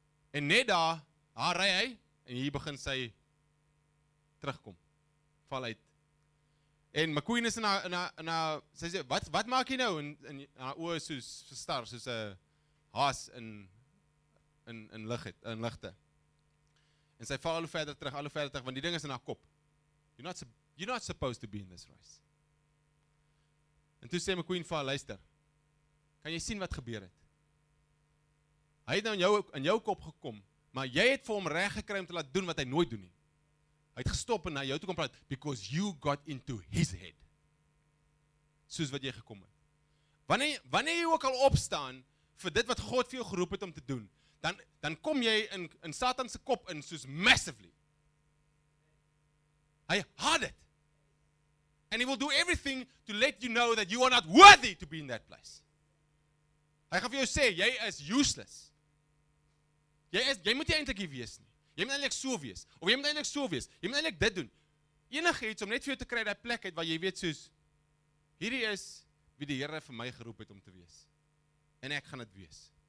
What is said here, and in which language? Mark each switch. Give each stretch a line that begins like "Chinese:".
Afrikaans: En net daar, haar ry hy, en hier begin sy terugkom. Val uit. En McQueen is in haar, sy sê, wat maak jy nou? En haar oor is soos verstar, soos een haas in ligte. En sy val al hoe verder terug, want die ding is in haar kop.
English: You're not supposed to be in this race.
Afrikaans: En toe sê McQueen vir haar, luister, kan jy sien wat gebeur het? Hy het nou in jou kop gekom, maar jy het vir hom reg gekry om te laat doen wat hy nooit doen nie. Hy het gestop en na jou toe kom praat,
English: because you got into his head.
Afrikaans: Soos wat jy gekom het. Wanneer jy ook al opstaan, vir dit wat God vir jou geroep het om te doen, dan kom jy in Satan se kop in, soos massively.
English: Hy had it. And he will do everything to let you know that you are not worthy to be in that place.
Afrikaans: Hy gaan vir jou sê, jy is useless. Jy moet nie eintlik hier wees nie. Jy moet eintlik so wees. Of jy moet eintlik so wees. Jy moet eintlik dit doen. Enige iets om net vir jou te kry daai plek uit waar jy weet soos, hierdie is wie die Here vir my geroep het om te wees. En ek gaan dit wees.